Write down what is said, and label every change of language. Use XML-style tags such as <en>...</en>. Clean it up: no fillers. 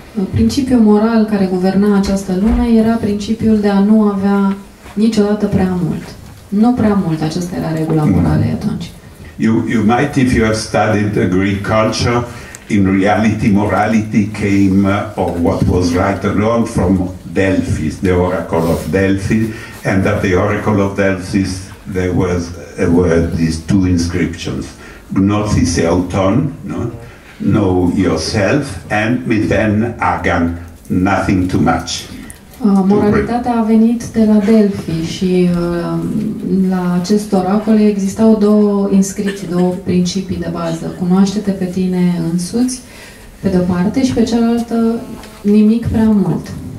<ro>Principiul moral care guverna această lume era principiul de a nu avea niciodată prea mult. Nu prea mult, aceasta era regula morală atunci.</ro> <en>You might, if you have studied the Greek culture, in reality morality came of what was right or wrong from Delphi, the Oracle of Delphi, and at the Oracle of Delphi there was were these two inscriptions,</en> <el>Gnosis Euton,</el> <en>no? Know yourself, and</en> <el>Miden Agan,</el> <en>nothing too much.</en> <ro>Moralitatea a venit de la Delphi și la acest oracol existau două inscripții, două principii de bază. Cunoaște-te pe tine însuți, pe de-o parte, și pe cealaltă, nimic prea mult.</ro>